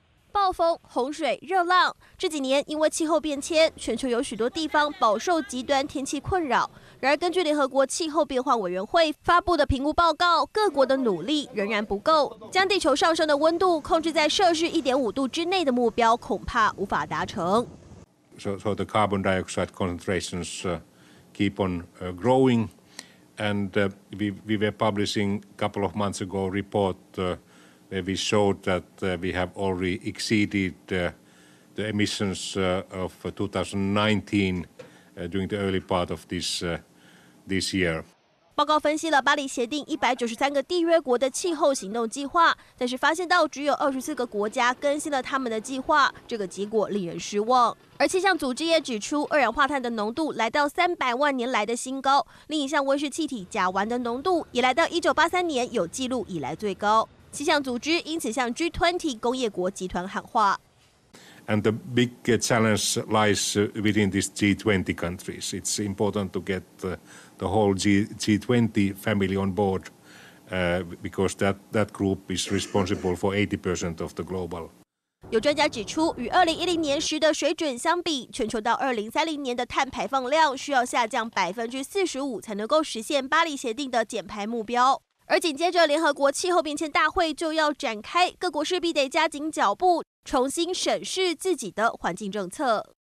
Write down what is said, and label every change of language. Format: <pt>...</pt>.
<zh>暴风、洪水、热浪，这几年因为气候变迁，全球有许多地方饱受极端天气困扰。然而根据联合国气候变化委员会发布的评估报告，各国的努力仍然不够，将地球上升的温度控制在摄氏 1.5 度之内的目标恐怕无法达成。</zh> <en>So the carbon dioxide concentrations keep on growing, and we were publishing a couple of months ago report where we showed that we have already exceeded the emissions of 2019 during the early part of this year.</en> <zh>报告分析了巴黎协定193个缔约国的气候行动计划，但是发现到只有24个国家更新了他们的计划，这个结果令人失望。而气象组织也指出，二氧化碳的浓度来到300万年来的新高，另一项温室气体甲烷的浓度也来到1983年有记录以来最高。气象组织因此向 G20 工业国集团喊话。</zh> <en>And the big challenge lies within these G20 countries. It's important to get the whole G20 family on board, because that group is responsible for 80% of the global.</en> <zh>有专家指出，与2010年时的水准相比，全球到2030年的碳排放量需要下降45%才能够实现巴黎协定的减排目标。而紧接着联合国气候变迁大会就要展开，各国势必得加紧脚步，重新审视自己的环境政策。</zh>